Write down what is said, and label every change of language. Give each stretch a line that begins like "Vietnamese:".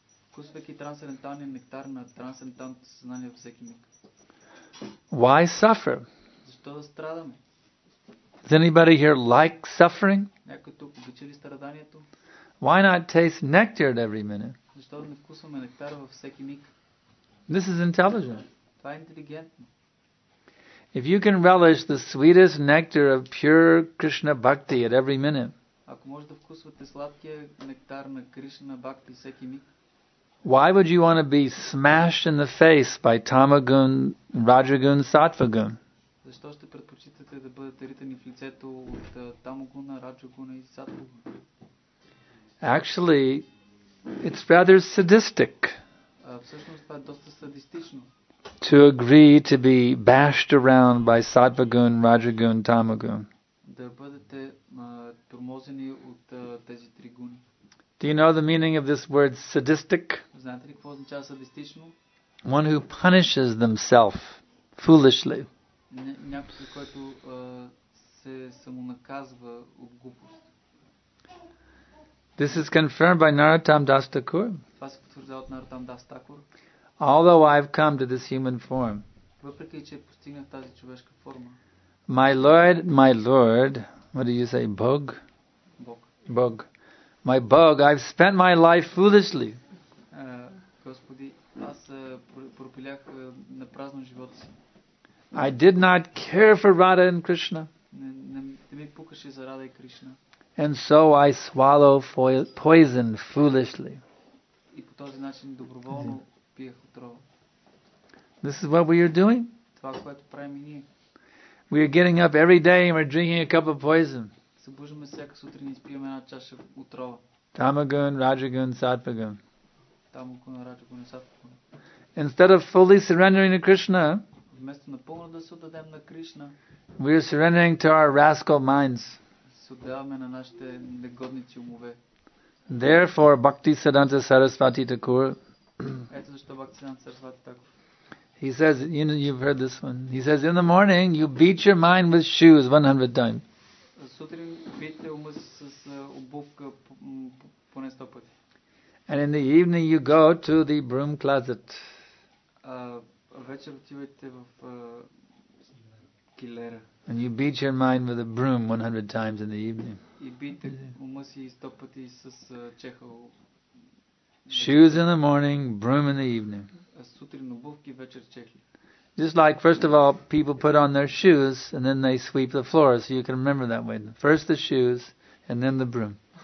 Bulgarian: Вкусвайки трансцендентален нектар на трансцендентално съзнание във всеки миг.
English: Why suffer?
Bulgarian: Защо да страдаме?
English: Does anybody here like suffering?
Bulgarian: Някой тук обича ли страданието?
English: Why not taste nectar at every minute?
Bulgarian: Защо да не вкусваме нектар във всеки миг?
English: This is intelligent.
Bulgarian: Това е интелигентно.
English: If you can relish the sweetest nectar of pure Krishna bhakti at every minute,
Bulgarian: ако може да вкусвате сладкия нектар на Кришна бхакти всеки миг,
English: why would you want to be smashed in the face by tamagun, rajagun, sattvagun?
Bulgarian: Защо ще предпочитате да бъдете ритани в лицето от тамагуна, раджагуна и сатвагуна?
English: Actually, it's rather sadistic.
Bulgarian: Всъщност това е доста садистично.
English: To agree to be bashed around by sattvagun, rajagun, tamagun.
Bulgarian: Да бъдете тормозени от тези три гуни.
English: Do you know the meaning of this word sadistic?
Bulgarian: Знаете ли какво означава садистично?
English: One who punishes themselves foolishly.
Bulgarian: Някой, който се самонаказва от глупост.
English: This is confirmed by Narottam Das Thakur.
Bulgarian: Това се потвърждава от Narottam Das Thakur.
English: Although I've come to this human form.
Bulgarian: Въпреки че постигнах тази човешка форма.
English: My Lord, what do you say, Bog?
Bulgarian: Бог.
English: Бог. My Bog, I've spent my life foolishly.
Bulgarian: Господи, аз пропилях на празно живота си.
English: I did not care for Radha and Krishna.
Bulgarian: Не ми пукаше за Радха и Кришна.
English: And so I swallow poison foolishly.
Bulgarian: И по този начин доброволно пиех отрова.
English: This is what we are doing.
Bulgarian: Това, което правим и ние.
English: We are getting up every day and we're drinking a cup of poison.
Bulgarian: Събуждаме всяка сутрин и спиваме една чаша отрова. Тамагун, раджагун, сатвагун. Тамагун, раджагун, сатвагун.
English: Instead of fully surrendering to Krishna,
Bulgarian: вместо напълно да се отдадем на Кришна,
English: we are surrendering to our rascal minds.
Bulgarian: Се отдаваме на нашите негодници умове.
English: Therefore, Bhakti Siddhanta Sarasvati Thakur.
Bulgarian: Ето защо Bhakti Siddhanta Sarasvati Thakur.
English: He says, you know, you've heard this one. He says, in the morning, you beat your mind with shoes 100 times.
Bulgarian: Сутрин бийте ума с обувка поне 100 пъти.
English: And in the evening you go to the broom closet.
Bulgarian: Вечер отивате в килера.
English: And you beat your mind with a broom 100 times in the evening.
Bulgarian: И бийте ума си 100 пъти с чехъл.
English: Shoes in the morning, broom in the evening.
Bulgarian: Сутрин обувки, вечер чехли.
English: Just like, first of all, people put on their shoes and then they sweep the floor, so you can remember that way. First the shoes and then the broom.